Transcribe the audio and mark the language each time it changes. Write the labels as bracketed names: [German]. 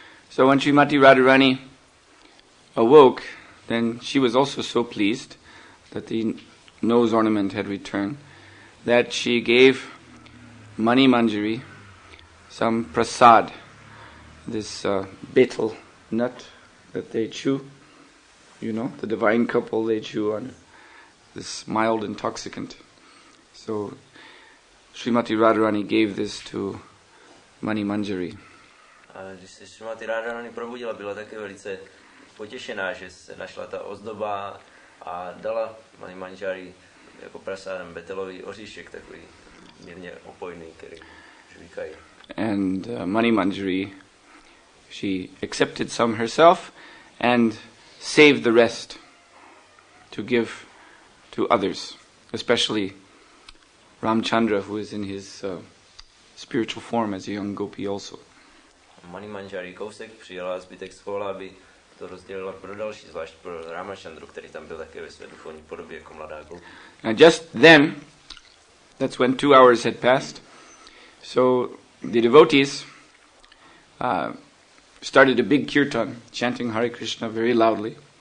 [English] So when Srimati Radharani awoke, then she was also so pleased that the nose ornament had returned, that she gave Mani Manjari some prasad, this betel nut that they chew, you know, the divine couple, they chew on this mild intoxicant. So Srimati Radharani gave this to Mani Manjari. [Czech] Když se Srimati Radharani probudila, byla také velice potěšená, že se našla ta ozdoba a dala Mani Manjari jako prasádem betelový oříšek, takový mírně opojný, který žvíkají. [English] And Mani Manjari, she accepted some herself and saved the rest to give to others, especially Ramchandra, who is in his spiritual form as a young gopi also. [Czech] Mani Manjari kousek přijala zbytek svola, aby to rozdělila pro další, zvlášť pro Ramachandru, který tam byl také ve své duchovní podobě jako mladá gopi. [English] And just then, that's when 2 hours had passed, so the devotees started a big kirtan, chanting Hare Krishna very loudly.